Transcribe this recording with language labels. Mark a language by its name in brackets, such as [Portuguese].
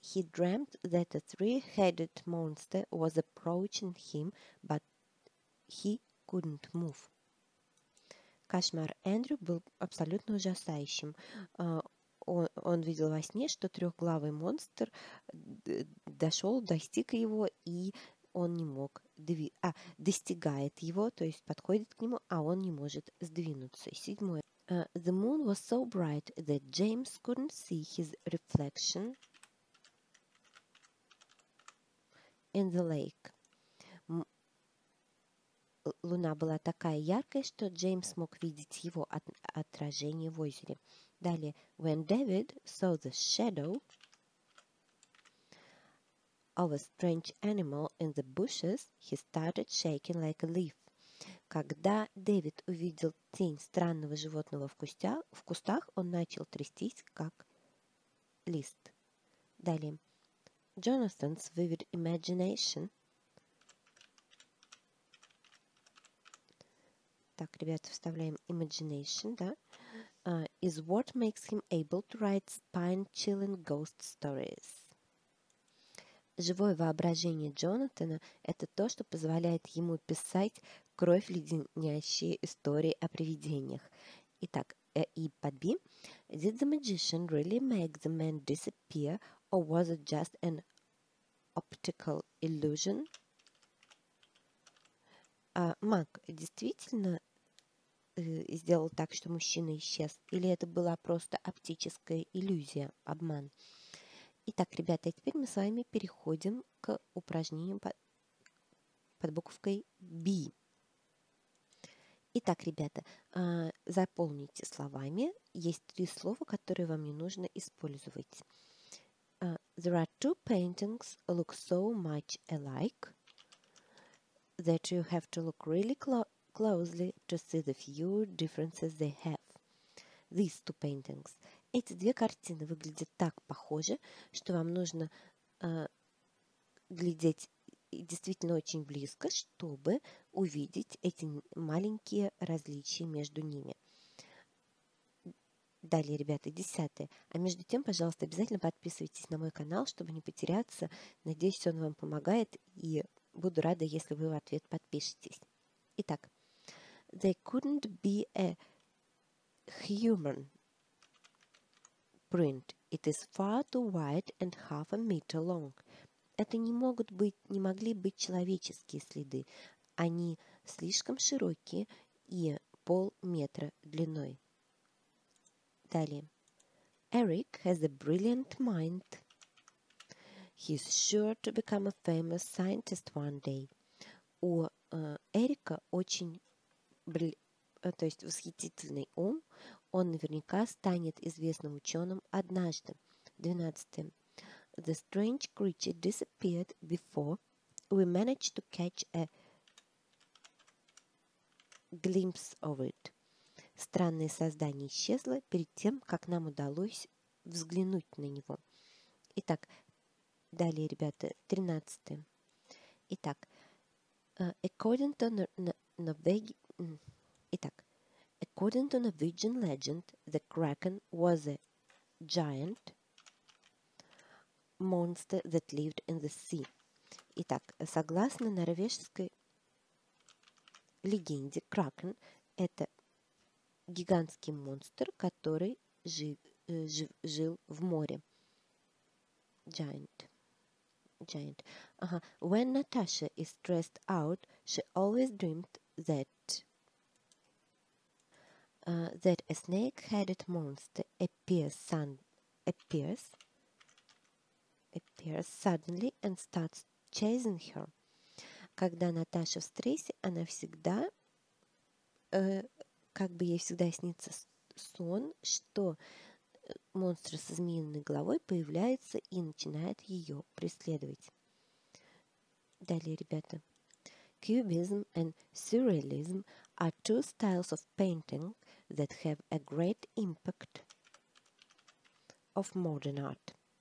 [English] He dreamt that a three-headed monster was approaching him, but he couldn't move. [Russian] Кошмар Эндрю был абсолютно ужасающим. Он видел во сне, что трехглавый монстр достиг его, и он не мог достигает его, то есть подходит к нему, а он не может сдвинуться. Седьмое. [English] The moon was so bright that James couldn't see his reflection in the lake. [Russian] Луна была такая яркая, что Джеймс мог видеть его отражение в озере. Далее. [English] When David saw the shadow of a strange animal in the bushes, he started shaking like a leaf. [Russian] Когда Дэвид увидел тень странного животного в кустах, он начал трястись, как лист. [English] Далее. Jonathan's vivid imagination. Так, ребята, вставляем imagination, да? Is what makes him able to write spine-chilling ghost stories. [Russian] Живое воображение Джонатана – это то, что позволяет ему писать кровь леденящие истории о привидениях. Итак, и под B. [English] Did the magician really make the man disappear, or was it just an optical illusion? [Russian] Маг действительно сделал так, что мужчина исчез, или это была просто оптическая иллюзия, обман? Итак, ребята, теперь мы с вами переходим к упражнениям под буковкой B. Итак, ребята, заполните словами. Есть три слова, которые вам не нужно использовать. [English] There are two paintings look so much alike that you have to look really closely to see the few differences they have. These two paintings. [Russian] Эти две картины выглядят так похоже, что вам нужно глядеть действительно очень близко, чтобы увидеть эти маленькие различия между ними. Далее, ребята, десятое. А между тем, пожалуйста, обязательно подписывайтесь на мой канал, чтобы не потеряться. Надеюсь, он вам помогает, и буду рада, если вы в ответ подпишетесь. [English] Итак. They couldn't be a human. Print. It is far too wide and half a meter long. [Russian] Это не могли быть человеческие следы. Они слишком широкие и полметра длиной. [English] Далее. Eric has a brilliant mind. He's sure to become a famous scientist one day. [Russian] У Эрика очень восхитительный ум. Он наверняка станет известным ученым однажды. [English] 12. The strange creature disappeared before we managed to catch a glimpse of it. [Russian] Странное создание исчезло перед тем, как нам удалось взглянуть на него. Итак, далее, ребята, 13. [English] Итак, according to Norwegian legend, the Kraken was a giant monster that lived in the sea. [Russian] Итак, согласно норвежской легенде, Кракен – это гигантский монстр, который жил в море. Giant. Giant. Ага. [English] When Natasha is stressed out, she always dreamed that that a snake-headed monster appears suddenly and starts chasing her. [Russian] Когда Наташа в стрессе, она всегда, как бы ей всегда снится сон, что монстр со змеиной головой появляется и начинает ее преследовать. Далее, ребята. [English] Cubism and Surrealism are two styles of painting that have a great impact of modern art.